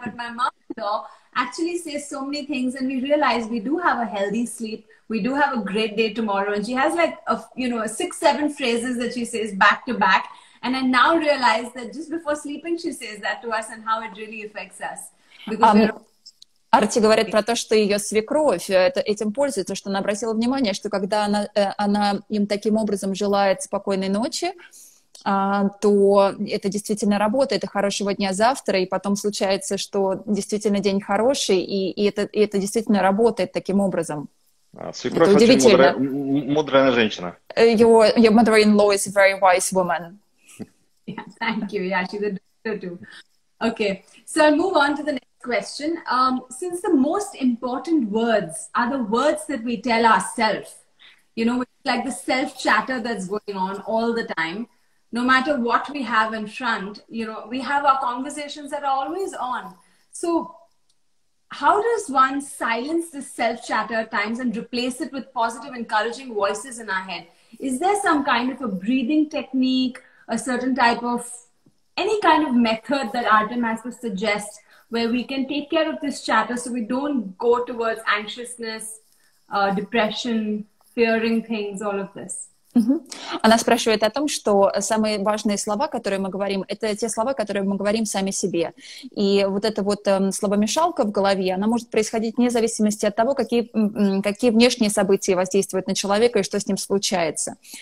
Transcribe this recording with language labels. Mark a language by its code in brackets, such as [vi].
[en] But my mother-in-law actually says so many things, and we realize we do have a healthy sleep, we do have a great day tomorrow. And she has like a, you know, 6-7 phrases that she says back to back. And I now realize that just before sleeping, she says that to us, and how it really affects us. [ru] Арти говорит про то, что ее свекровь этим пользуется, что она обратила внимание, что когда она им таким образом желает спокойной ночи, то это действительно работает, и хорошего дня завтра, и потом случается, что действительно день хороший, и это действительно работает таким образом. Свекровь это удивительно. Очень мудрая женщина. [en] Your mother-in-law is a very wise woman. Yeah, thank you. Yeah, she's a doctor too. Okay, so I'll move on to the next question. Since the most important words are the words that we tell ourselves, you know, like the self-chatter that's going on all the time, no matter what we have in front, you know, we have our conversations that are always on. So how does one silence this self-chatter at times and replace it with positive, encouraging voices in our head? Is there some kind of a breathing technique, a certain type of, any kind of method that Artem has to suggest where we can take care of this chatter so we don't go towards anxiousness, depression, fearing things, all of this? [ru] Она спрашивает о том, что самые важные слова, которые мы говорим, это те слова, которые мы говорим сами себе. И вот эта вот словомешалка в голове, она может происходить вне зависимости от того, какие внешние события воздействуют на человека и что с ним случается.